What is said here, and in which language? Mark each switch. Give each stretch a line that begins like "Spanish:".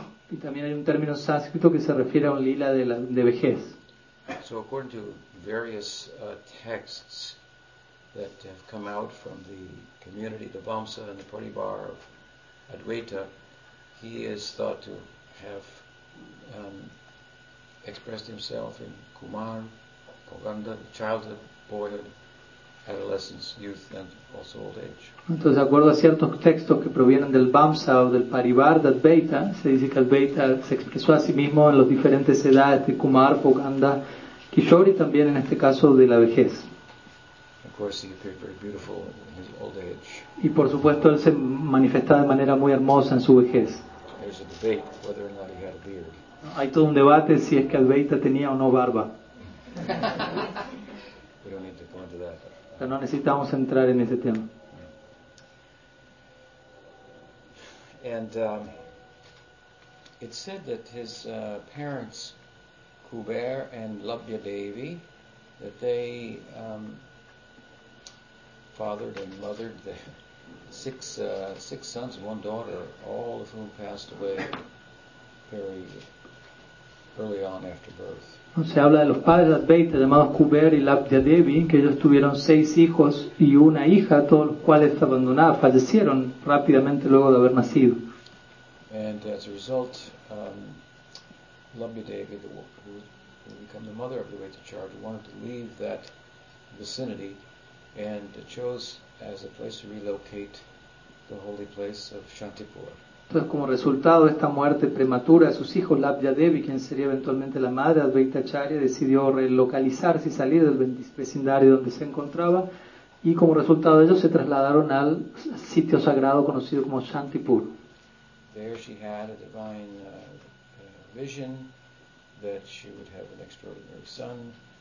Spanish: y también hay un término sánscrito que se refiere a un lila de vejez.
English: So according to various texts that have come out from the community, the Vamsa and the Paribar of Advaita, he is thought to have expressed himself in Kumar, Poganda, the childhood boyhood, adolescence, youth, and also old age.
Spanish: Entonces, de acuerdo a ciertos textos que provienen del Vamsa o del Parivar de Advaita, se dice que Advaita se expresó a sí mismo en las diferentes edades de Kumar, Poganda, Kishori, y también en este caso de la vejez.
English: Of course, he appeared very beautiful in his old age.
Spanish: Y por supuesto, él se manifestaba de manera muy hermosa en su vejez.
English: There's a debate whether or not he had a beard.
Spanish: Hay todo un debate si es que Advaita tenía o no barba.
English: We don't need to go into that.
Spanish: Pero no necesitamos entrar en ese tema.
English: And it's said that his parents, Kuber and Labhya Devi, that they fathered and mothered the six sons and one daughter, all of whom passed away very early on after birth.
Spanish: Se habla de los padres de Advaita, llamados Kuber y Labhya Devi, que ellos tuvieron seis hijos y una hija, todos los cuales abandonados, fallecieron rápidamente luego de haber nacido.
English: And as a result, Labhya Devi, who would become the mother of the Advaita Charge, wanted to leave that vicinity and chose as a place to relocate the holy place of Shantipur.
Spanish: Entonces, como resultado de esta muerte prematura de sus hijos, Labhya Devi, quien sería eventualmente la madre de Advaita Acharya, decidió relocalizarse y salir del vecindario donde se encontraba, y como resultado de ello se trasladaron al sitio sagrado conocido como Shantipur.
English: There she had a divine vision that she would have an extraordinary son.